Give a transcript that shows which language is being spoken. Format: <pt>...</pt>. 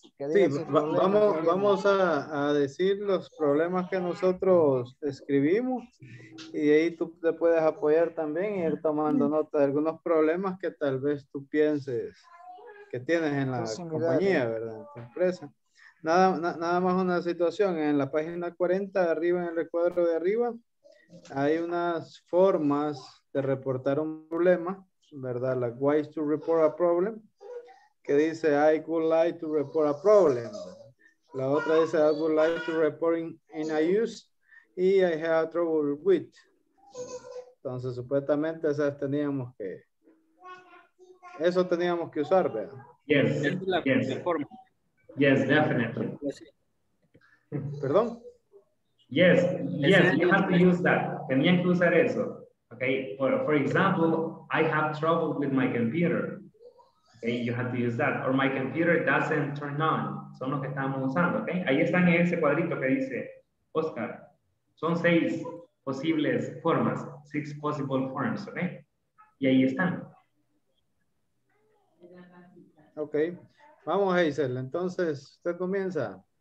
<es>Sí, vamos a decir los problemas que nosotros escribimos y ahí tú te puedes apoyar también y ir tomando nota de algunos problemas que tal vez tú pienses que tienes en la compañía, ¿verdad? En tu empresa. Nada más una situación, en la página 40, arriba en el recuadro de arriba, hay unas formas de reportar un problema, ¿verdad?</es> <en>La ways to report a problem.</en> <es>Que dice,</es> <en>I would like to report a problem.</en> <es>La otra dice,</es> <en>I would like to report in a use. Y I have trouble with.</en> <es>Entonces, supuestamente, esas teníamos que... Eso teníamos que usar, ¿verdad?</es> <en>Yes. Yes, definitely.</en> <es>¿Perdón?</es> <en>Yes, yes, you have to use that.</en> <es>Tenían que usar eso.</es> <en>Okay, for example, I have trouble with my computer. Okay, you have to use that. Or my computer doesn't turn on.</en> <es>Son los que estamos usando, okay? Ahí están en ese cuadrito que dice, Oscar, son seis posibles formas,</es> <en>six possible forms,</en> <es>okay? Y ahí están. Okay, vamos Hazel, entonces usted comienza.</es>